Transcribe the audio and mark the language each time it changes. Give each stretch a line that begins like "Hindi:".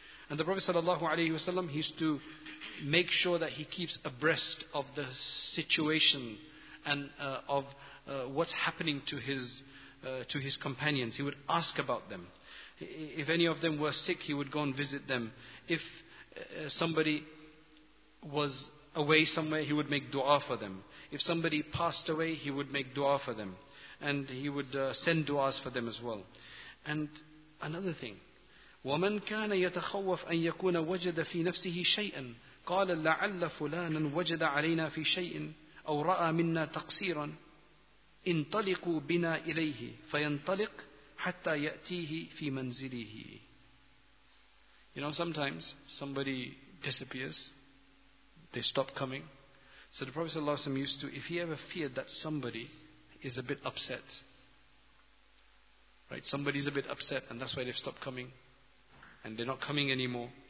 English: And the Prophet sallallahu alayhi wa sallam, he used to make sure that he keeps abreast of the situation and of what's happening to his companions. He would ask about them. If any of them were sick, he would go and visit them. If somebody was away somewhere, he would make dua for them. If somebody passed away, he would make dua for them. And he would send duas for them as well. And another thing,
Arabic: وَمَنْ كَانَ يَتَخَوَّفْ أَنْ يَكُونَ وَجَدَ فِي نَفْسِهِ شَيْئًا قَالَ لَعَلَّ فُلَانًا وَجَدَ عَلَيْنَا فِي شَيْءٍ أَوْ رَأَى مِنَّا تَقْصِيرًا انْطَلِقُوا بِنَا إِلَيْهِ فَيَنْطَلِقْ حَتَّى يَأْتِيهِ فِي مَنْزِلِهِ.
English: You know, sometimes somebody disappears, they stop coming. So the Prophet ﷺ used to, if he ever feared that somebody is a bit upset, right? Somebody's a bit upset and that's why they've stopped coming, and they're not coming anymore.